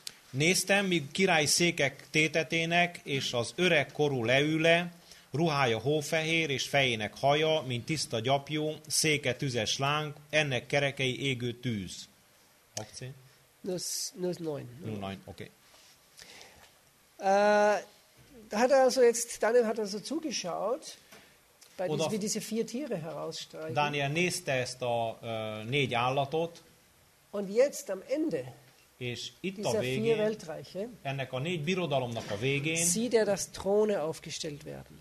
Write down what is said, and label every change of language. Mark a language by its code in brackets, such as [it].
[hu] Néztem, míg király székek tétetének, és az öreg korú leüle, ruhája hófehér, és fejének haja, mint tiszta gyapjú, széke tüzes láng, ennek kerekei égő tűz. Akcé? Nos, oké. [de] Da hat er also jetzt, Daniel hat also zugeschaut, wie diese vier Tiere herausstreichen. [hu] Daniel nézte ezt a négy állatot. [de] Und jetzt am Ende. [hu] És itt a végén, ennek a négy birodalomnak a végén [de] sieht er, dass Throne aufgestellt werden.